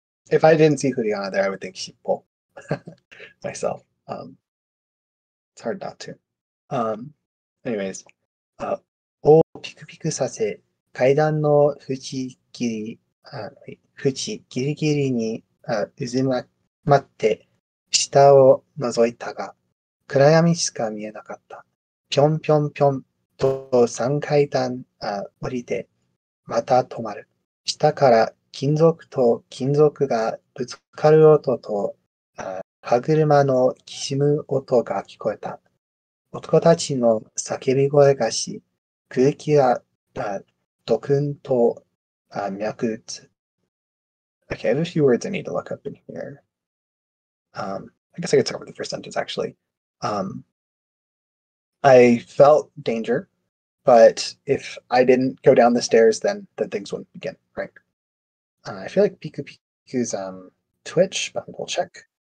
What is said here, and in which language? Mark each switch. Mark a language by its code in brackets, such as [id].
[en] If I didn't see Juliana there, I would think she's all myself. It's hard not to. Anyways, [ja] 大ピクピクさせ、階段の縁ギリ、縁ギリギリに、うずまって、下を覗いたが、暗闇しか見えなかった。ぴょんぴょんぴょんと三階段、降りて、また止まる。下から金属と金属がぶつかる音と、歯車のきしむ音が聞こえた。男たちの叫び声がし、空気がドクンと脈打つ。 [en] Okay, I have a few words I need to look up in here. I guess I could start with the first sentence, actually. I felt danger, but if I didn't go down the stairs, then things wouldn't begin, right? I feel like Piku Piku's twitch, but we'll check.